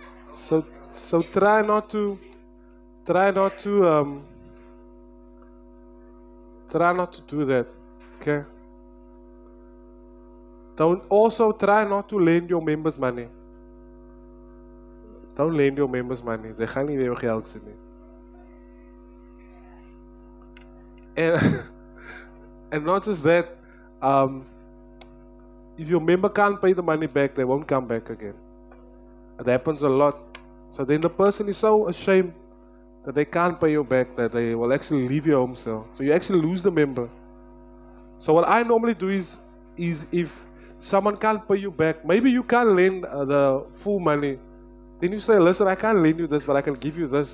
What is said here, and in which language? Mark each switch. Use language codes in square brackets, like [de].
[en] So try not to try not to do that. Okay. Also try not to lend your members money. Don't lend your members money. [af] They gaan nie jou geld sien nie. [en] And not just that, if your member can't pay the money back, they won't come back again. It happens a lot. So then the person is so ashamed that they can't pay you back that they will actually leave your home cell. So you actually lose the member. So what I normally do is if someone can't pay you back, maybe you can't lend the full money, then you say, listen, I can't lend you this, but I can give you this.